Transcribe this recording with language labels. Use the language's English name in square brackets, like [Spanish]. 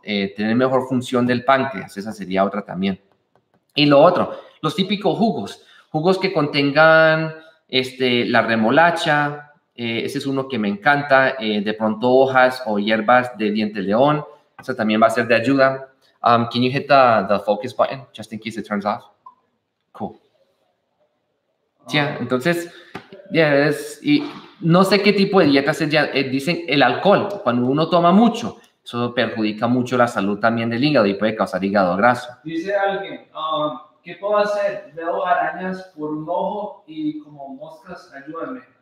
[Spanish] Tener mejor función del páncreas, esa sería otra también. Y lo otro, los típicos jugos que contengan la remolacha. Ese es uno que me encanta, de pronto hojas o hierbas de diente león, eso también va a ser de ayuda. [English] Can you hit the focus button, just in case it turns off? Cool. [Spanish] Yeah, entonces, yeah, y no sé qué tipo de dieta es, ya, dicen el alcohol, cuando uno toma mucho, eso perjudica mucho la salud también del hígado y puede causar hígado graso. Dice alguien, ¿qué puedo hacer? Veo arañas por un ojo y como moscas, ayúdame.